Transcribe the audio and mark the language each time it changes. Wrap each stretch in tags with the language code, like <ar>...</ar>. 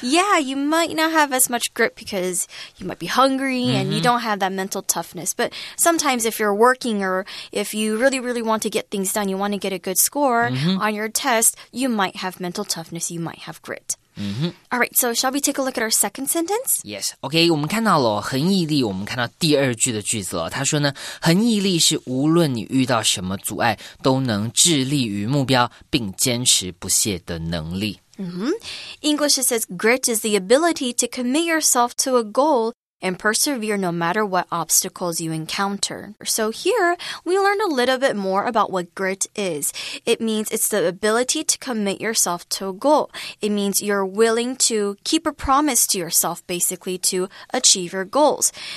<en>Yeah, you might not have as much grip because you might be hungry and you don't have that mental toughness. But sometimes if you're working or if you really, really want to get things done, you want to get a good score on your test, you might have mental toughness, you might have grit. All right, so shall we take a look at our second sentence?</en> <zh>Yes, OK, 我们看到了恒毅力，我们看到第二句的句子了。他说呢，恒毅力是无论你遇到什么阻碍，都能致力于目标，并坚持不懈的能力。</zh> <en>English says, grit is the ability to commit yourself to a goal and persevere no matter what obstacles you encounter. So here, we learned a little bit more about what grit is. It means it's the ability to commit yourself to a goal. It means you're willing to keep a promise to yourself, basically, to achieve your goals.</en>